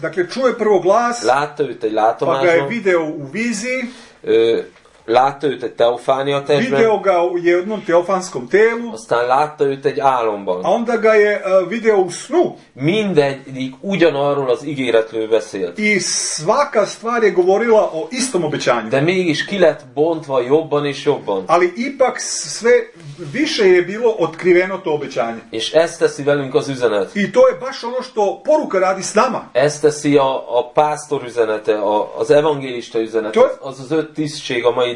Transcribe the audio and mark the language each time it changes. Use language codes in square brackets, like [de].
[sr] Dakle, čuje prvo glas. [hu] Látta őt egy látomáson. [sr] Pa ga je video u vizi. [hu] Látta őt egy teofánia testben. [sr] Video ga je jednom teofanskom telu. [hu] Aztán látta őt egy álomban. [sr] A onda ga je video u snu. [hu] Mindegyik ugyanarról az ígéretről beszélt. [sr] I svaka stvar je govorila o istom obećanju. [hu] De mégis ki lett bontva jobban és jobban. [sr] Ali ipak sve više je bilo otkriveno to obećanje. [hu] És ezt teszi velünk az üzenet. [sr] I to je baš ono što poruka radi s nama. [hu] Ezt teszi a pásztor üzenete, az evangélista üzenete, to... az az öt tisztség a mai.